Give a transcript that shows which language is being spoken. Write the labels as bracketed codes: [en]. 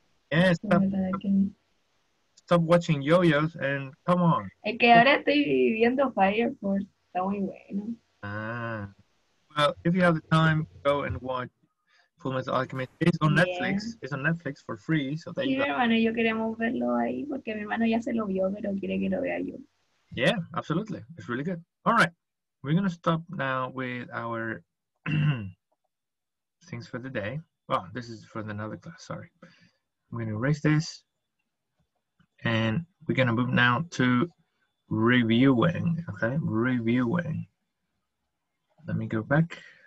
[en] Yeah, stop. Stop watching yo-yos and come on. [es] Es que ahora estoy viendo Fire Force. Está muy bueno. Ah. [en] Well, if you have the time, go and watch Fullmetal Alchemist. It's on Netflix. Yeah. It's on Netflix for free. So there [es] sí, [en] you go. [es] Mi hermano y yo queremos verlo ahí porque mi hermano ya se lo vio, pero quiere que lo vea yo. [en] Yeah, absolutely. It's really good. All right. We're going to stop now with our things for the day. Well, this is for another class. Sorry. I'm going to erase this. And we're going to move now to reviewing. Okay. Reviewing. Let me go back.